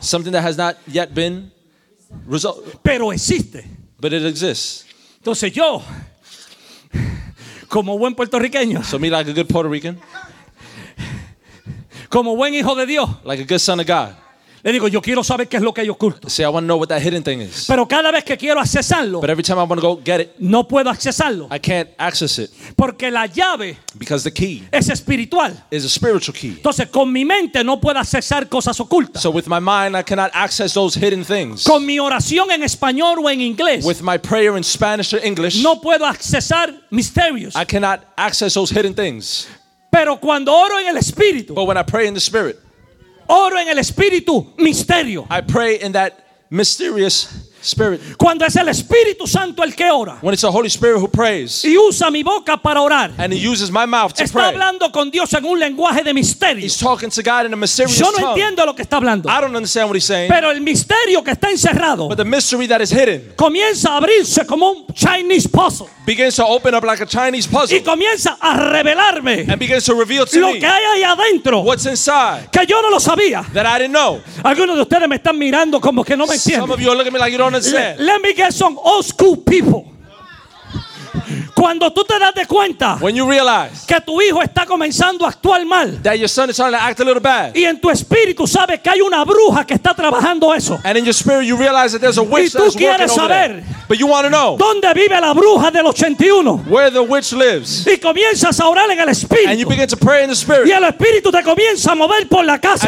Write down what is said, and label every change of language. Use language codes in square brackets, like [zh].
[en] Something that has not yet been resolved. [es] Pero existe. [en] But it exists. [es] Entonces yo, como buen puertorriqueño, [en] so me like a good Puerto Rican, [es] como buen hijo de Dios, [en] like a good son of God, [es] le digo, yo quiero saber qué es lo que hay oculto. [en] See, I want to know what that hidden thing is. [es] Pero cada vez que quiero accesarlo, [en] but every time I want to go get it, [es] no puedo accesarlo. [en] I can't access it. [es] Porque la llave, [en] because the key, [es] es espiritual. [en] Is a spiritual key. [es] Entonces, con mi mente no puedo accesar cosas ocultas. [en] So with my mind, I cannot access those hidden things. [es] Con mi oración en español o en inglés, [en] with my prayer in Spanish or English, [es] no puedo accesar misterios. [en] I cannot access those hidden things. [es] Pero cuando oro en el espíritu, [en] but when I pray in the spirit, [es] oro en el espíritu misterio. [en] I pray in that mysterious spirit. [es] Cuando es el Espíritu Santo el que ora. [en] When it's the Holy Spirit who prays. [es] Y usa mi boca para orar. [en] And he uses my mouth to [es] está [en] pray. [es] Está hablando con Dios en un lenguaje de misterio. [en] He's talking to God in a mysterious tongue. [es] Yo no entiendo lo que está hablando. [en] I don't understand what he's saying. [es] Pero el misterio que está encerrado. [en] But the mystery that is hidden. [es] Comienza a abrirse como un Chinese puzzle. [en] Begins to open up like a Chinese puzzle. [es] Y comienza a revelarme. [en] And begins to reveal to me. [es] Lo que hay ahí adentro. [en] What's inside. [es] Que yo no lo sabía. [en] That I didn't know. [es] Algunos de ustedes me están mirando como que no me entienden. [en] Some of you are looking at me like you don't. Let me get some old school people. [es] Cuando tú te das de cuenta, [en] when you realize [es] que tu hijo está comenzando a actuar mal, [en] that your son is starting to act a little bad, [es] y en tu espíritu sabes que hay una bruja que está trabajando eso, [en] and in your spirit you realize that there's a witch that's working over there, but you want to know [es] dónde vive la bruja del 81, [en] where the witch lives, [es] y comienzas a orar en el espíritu, [en] and you begin to pray in the spirit, [es] y el espíritu te comienza a mover por la casa,